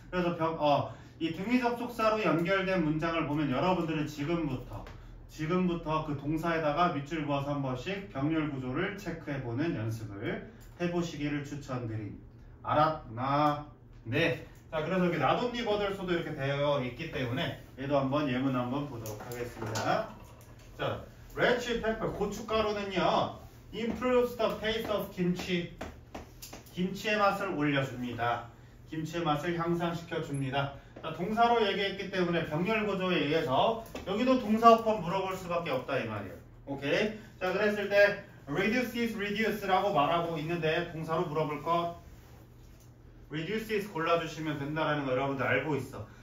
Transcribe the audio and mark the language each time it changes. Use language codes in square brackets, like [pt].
[ko] 그래서 이 등위접속사로 연결된 문장을 보면 여러분들은 지금부터 그 동사에다가 밑줄 그어서 한 번씩 병렬 구조를 체크해보는 연습을 해보시기를 추천드립니다. 알았나? 네. 자, 그래서 여기 나돈니 버들소도 이렇게 되어 있기 때문에 얘도 한번 예문 한번 보도록 하겠습니다. [en] 자, red chili pepper, 고춧가루는요, improves the taste of 김치. [ko] 김치의 맛을 올려줍니다. 김치의 맛을 향상시켜줍니다. 동사로 얘기했기 때문에 병렬구조에 의해서 여기도 동사어법 물어볼 수밖에 없다 이 말이에요. 오케이? 자, 그랬을 때 reduce is reduce라고 말하고 있는데 동사로 물어볼 것 reduce is 골라주시면 된다라는 거 여러분들 알고 있어.